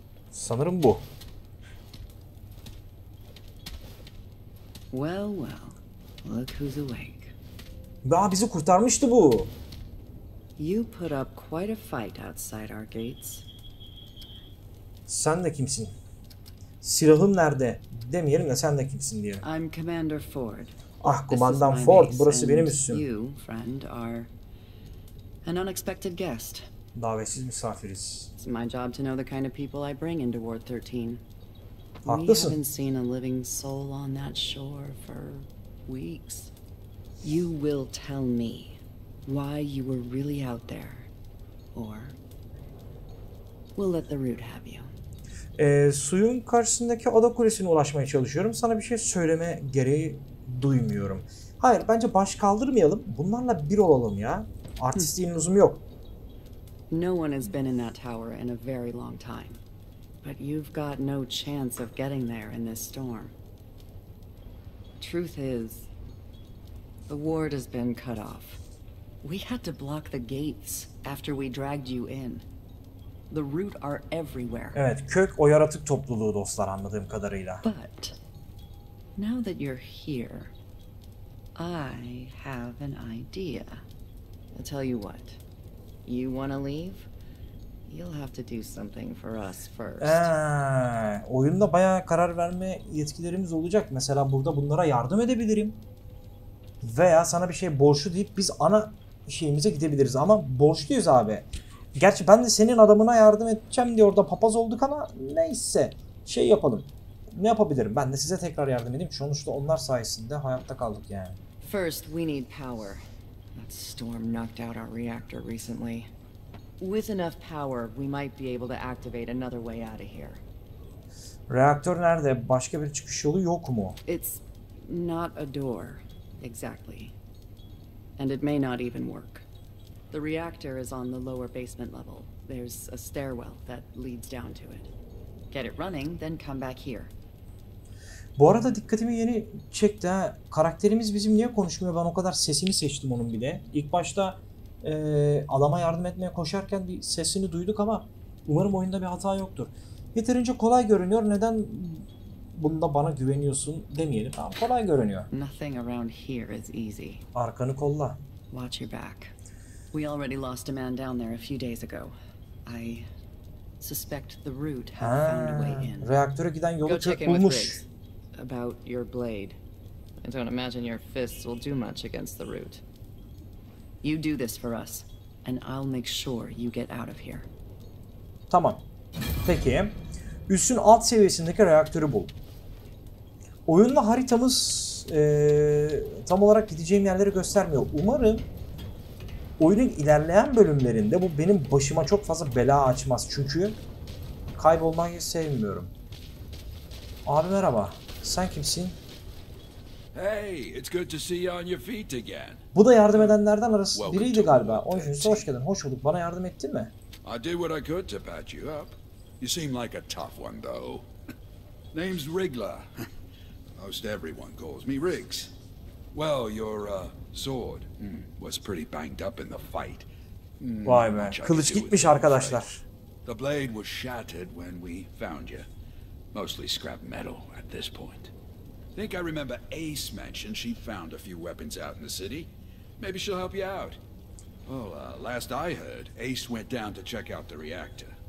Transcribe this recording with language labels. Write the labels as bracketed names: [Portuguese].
[Turkish] Sanırım bu. [English] Well, well. Look who's awake. [Turkish] Daha bizi kurtarmıştı bu. [English] You put up quite a fight outside our gates. [Turkish] Sen de kimsin? Silahım nerede? Demeyelim de sen de kimsin diyelim. [English] I'm Commander Ford. [Turkish] Ah, Kumandan Ford, burası benim üssüm. [English] You, friend, are an unexpected guest. [Turkish] Davetsiz misafiriz. [English] It's my job to know the kind of people I bring into Ward 13. [Turkish] Haklısın. [English] We haven't seen a living soul on that shore for weeks. You will tell me why you were really out there, or we'll let the root have you. [Turkish] Suyun karşısındaki ada kulesine ulaşmaya çalışıyorum. Sana bir şey söyleme gereği duymuyorum. Hayır, bence baş kaldırmayalım. Bunlarla bir olalım ya. Artistliğin lüzumu yok. [English] No one has been in that tower in a very long time. But you've got no chance of getting there in this storm. Truth is, the ward has been cut off. We had to block the gates after we dragged you in. The root are everywhere. [Turkish] Evet, kök o yaratık topluluğu dostlar anladığım kadarıyla. [English] But now that you're here, I have an idea. I'll tell you what. You want to leave? You'll have to do something for us first. [Turkish] Oyunda bayağı karar verme yetkilerimiz olacak. Mesela burada bunlara yardım edebilirim. Veya sana bir şey borçlu deyip biz ana şeyimize gidebiliriz. Ama borçluyuz abi. Gerçi ben de senin adamına yardım edeceğim diye orada papaz olduk ama neyse. Şey yapalım. Ne yapabilirim? Ben de size tekrar yardım edeyim. Sonuçta onlar sayesinde hayatta kaldık yani. [English] First, we need power. That storm knocked out our reactor recently. With enough power, we might be able to activate another way out of here. [Turkish] Reaktör nerede? Başka bir çıkış yolu yok mu? [English] It's not a door, exactly. And it may not even work. The reactor is on the lower basement level. There's a stairwell that leads down to it. Get it running, then come back here. [Turkish] Bu arada dikkatimi yeni çekti ha. Karakterimiz bizim niye konuşmuyor? Ben o kadar sesini seçtim onun bile. İlk başta adama yardım etmeye koşarken bir sesini duyduk ama umarım oyunda bir hata yoktur. Yeterince kolay görünüyor. Neden bunda bana güveniyorsun demeyelim. Tamam, kolay görünüyor. [English] Nothing around here is easy. [Turkish] Arkanı kolla. [English] Watch your back. We already lost a man down there a few days ago. I suspect the route has found a way in. [Turkish] Reaktöre giden yolu bulmuş. [English] About your blade. I don't imagine your fists will do much against the root. You do this for us and I'll make sure you get out of here. [Turkish] Tamam. Peki. Üssün alt seviyesindeki reaktörü bul. Oyunla haritamız tam olarak gideceğim yerleri göstermiyor. Umarım oyunun ilerleyen bölümlerinde bu benim başıma çok fazla bela açmaz. Çünkü kaybolmayı sevmiyorum. Abi merhaba. Sen kimsin? [English] Hey, it's good to see you on your feet again. [Turkish] Bu da yardım edenlerden arası biriydi galiba. Onun için hoş geldin, hoş bulduk. Bana yardım ettin mi? [English] I did what I could to patch you up. You seem like a tough one though. Name's Rigla. Most everyone calls me Riggs. Well, your sword was pretty banged up in the fight. [Turkish] Vay be, kılıç gitmiş arkadaşlar. [English] The blade was shattered when we found you. Mostly scrap metal at this point. Think I remember Ace mentioned she found a few weapons out in the city. Maybe she'll help you out. Well, last I heard, Ace went down to check out the reactor.